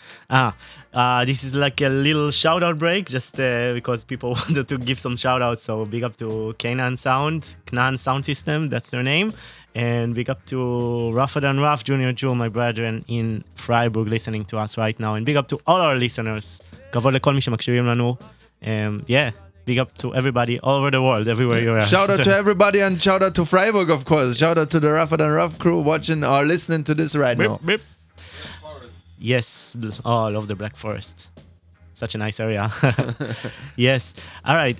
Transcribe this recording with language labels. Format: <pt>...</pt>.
<en>This is like a little shout out break, just because people wanted to give some shout outs. So big up to Knan Sound System, that's their name. And big up to Rougher Than Rough, Junior Jew, my brethren in Freiburg, listening to us right now. And big up to all our listeners.</en> <he>כבוד לכל מי שמקשיבים לנו.</he> <en>Yeah, big up to everybody all over the world, everywhere you are. Shout out to everybody and shout out to Freiburg, of course. Shout out to the Rougher Than Rough crew watching or listening to this right now. Beep, beep. Yes, oh, I love the Black Forest. Such a nice area. Yes. All right.</en>